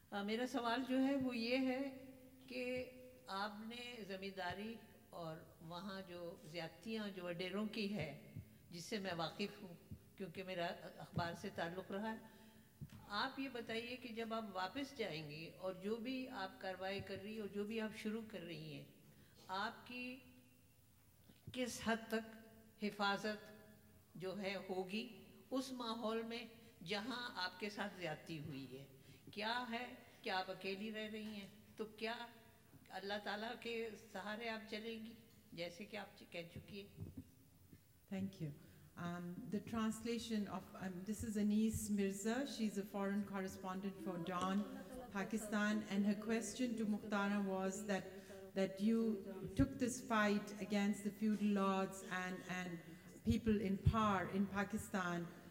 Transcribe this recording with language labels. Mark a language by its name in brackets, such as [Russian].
[Urdu] Mera sawal jo hai wo ye hai ki aapne zamindari aur wahan jo ziyadatiyan jo wadeiron ki hai jisse main waqif hu کیونکہ میرا اخبار سے تعلق رہا ہے. آپ یہ بتائیے کہ جب آپ واپس جائیں گی اور جو بھی آپ کاروائی کر رہی ہیں اور جو بھی آپ شروع کر رہی ہیں, آپ کی کس حد تک حفاظت جو ہے ہوگی اس ماحول میں جہاں آپ کے ساتھ زیادتی ہوئی ہے؟ کیا ہے کہ آپ اکیلی رہ رہی ہیں, تو کیا اللہ تعالیٰ کے سہارے آپ چلیں گی جیسے کہ آپ کہہ چکی ہیں؟ [English] Thank you. The translation of this is Anis Mirza. She's a foreign correspondent for Dawn Pakistan, and her question to Mukhtara was that you took this fight against the feudal lords and people in power in Pakistan.